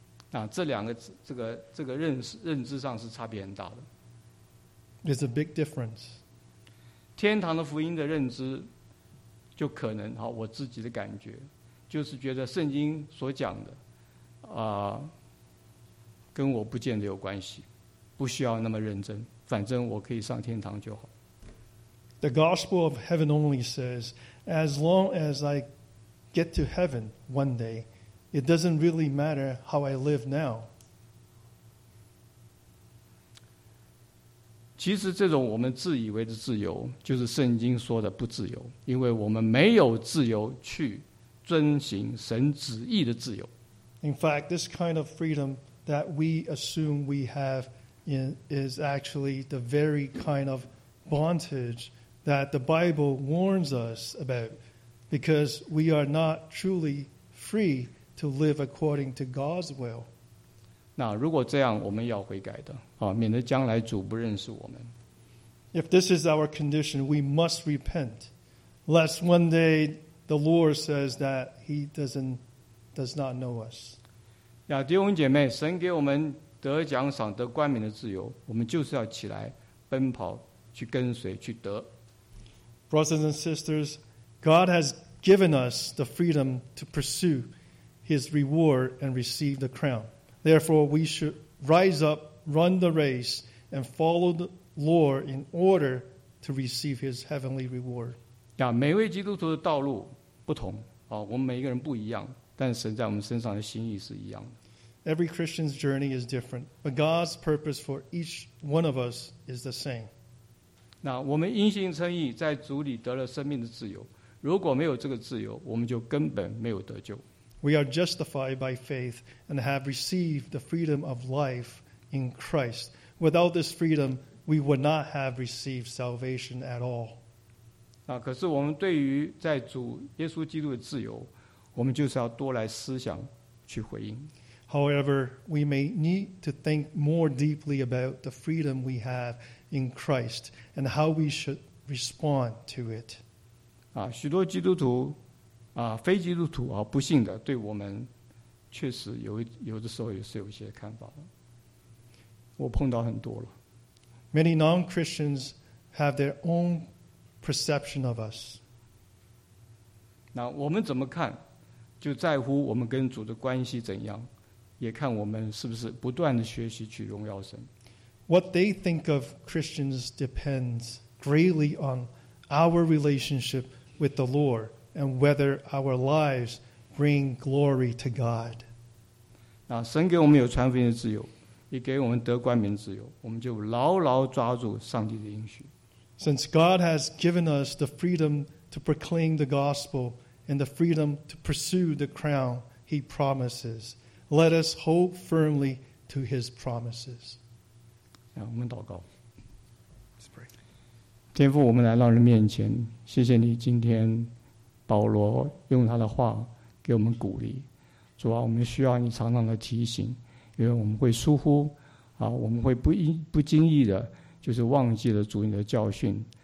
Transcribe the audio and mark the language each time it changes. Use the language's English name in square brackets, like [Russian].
[Chinese] 那这两个这个认知上是差别很大的。 [English] There's a big difference. [Chinese] 天堂的福音的认知，就可能哈，我自己的感觉，就是觉得圣经所讲的，跟我不见得有关系，不需要那么认真，反正我可以上天堂就好。 [English] The gospel of heaven only says, as long as I get to heaven one day, it doesn't really matter how I live now. [Chinese] 其实这种我们自以为的自由，就是圣经说的不自由，因为我们没有自由去遵行神旨意的自由。 [English] In fact, this kind of freedom that we assume we have is actually the very kind of bondage that the Bible warns us about, because we are not truly free to live according to God's will. [Chinese] 那如果这样，我们要悔改的，啊，免得将来主不认识我们。 [English] If this is our condition, we must repent, lest one day the Lord says that He does not know us. [Chinese] 亚弟兄姐妹，神给我们得奖赏、得冠冕的自由，我们就是要起来奔跑，去跟随，去得。 [English] Brothers and sisters, God has given us the freedom to pursue His reward and receive the crown. Therefore, we should rise up, run the race, and follow the Lord in order to receive His heavenly reward. [Chinese] 呀，每位基督徒的道路不同，啊，我们每一个人不一样，但神在我们身上的心意是一样的。 [English] Every Christian's journey is different, but God's purpose for each one of us is the same. [Chinese] 那我们因信称义，在主里得了生命的自由。如果没有这个自由，我们就根本没有得救。 [English] We are justified by faith and have received the freedom of life in Christ. Without this freedom, we would not have received salvation at all. [Chinese] 那可是我们对于在主耶稣基督的自由，我们就是要多来思想去回应。 [English] However, we may need to think more deeply about the freedom we have in Christ and how we should respond to it. [Chinese] 啊，许多基督徒啊，非基督徒啊，不信的，对我们确实有的时候也是有一些看法的。我碰到很多了。 [English] Many non-Christians have their own perception of us. [Chinese] 那我们怎么看，就在乎我们跟主的关系怎样。也看我们是不是不断地学习去荣耀神。 [English] What they think of Christians depends greatly on our relationship with the Lord and whether our lives bring glory to God. [Chinese] 那神给我们有传福音的自由，也给我们得冠冕自由，我们就牢牢抓住上帝的应许。 [English] Since God has given us the freedom to proclaim the gospel and the freedom to pursue the crown He promises,Let us hold firmly to His promises. [Chinese] 我们祷告。天父，我们来到你面前，谢谢你今天保罗用他的话给我们鼓励。主啊，我们需要你常常的提醒，因为我们会疏忽，啊，我们会不经意的，就是忘记了主你的教训。